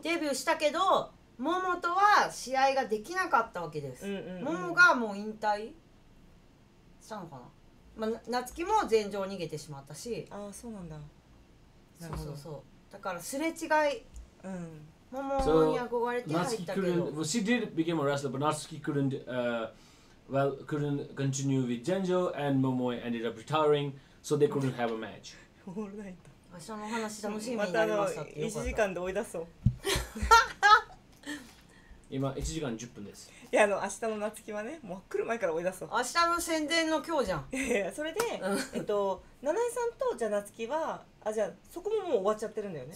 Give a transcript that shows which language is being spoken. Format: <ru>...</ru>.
<ja>デビューしたけどモモとは試合ができなかったわけです。モモ、うんうん、がもう引退したのかな。まあ、なつきも全場逃げてしまったし。ああ、そうなんだ。なるほど。そうそうそう、だからすれ違い、うん、モモに憧れて入ったけど、</ja> <en>so, Natsuki couldn't, well, she did become a wrestler, but Natsuki couldn't, well, couldn't continue with Genjo, and Momoi ended up retiring, so they couldn't have a match. All night.</en> <ja>明日の話楽しみになりました。またあの 1時間で追い出そう。今1時間10分です。いや、あの明日の夏希はね、もう来る前から追い出そう。明日の宣伝の今日じゃん。それで、七重さんとじゃあ夏希は、あ、じゃあそこももう終わっちゃってるんだよね。</ja>